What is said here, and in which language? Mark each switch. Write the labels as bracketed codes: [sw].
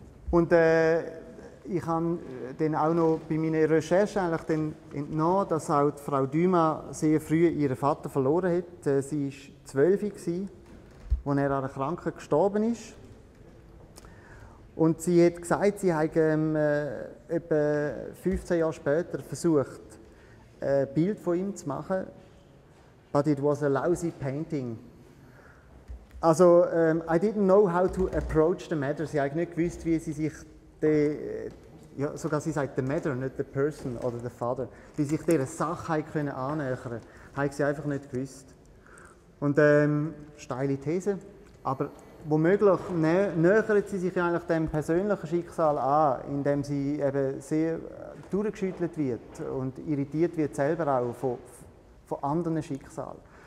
[de] Und ich habe dann auch noch bei meiner Recherche eigentlich dann entnommen, dass auch die Frau Dumas sehr früh ihren Vater verloren hat. Sie war 12, als er an einer Krankheit gestorben ist. Und sie hat gesagt, sie habe etwa 15 Jahre später versucht, ein Bild von ihm zu machen. [en] But it was a lousy painting. Also, I didn't know how to approach the matter. [de] Sie hat nicht gewusst, wie sie sich der, ja, sogar sie sagt [en] the matter, [de] nicht [en] the person [de] oder [en] the father, [de] wie sich dieser Sache können annähern. Hat sie einfach nicht gewusst. Und steile These. Aber womöglich nähert sie sich eigentlich dem persönlichen Schicksal an, indem sie eben sehr durchgeschüttelt wird und irritiert wird selber auch von anderen Schicksalen.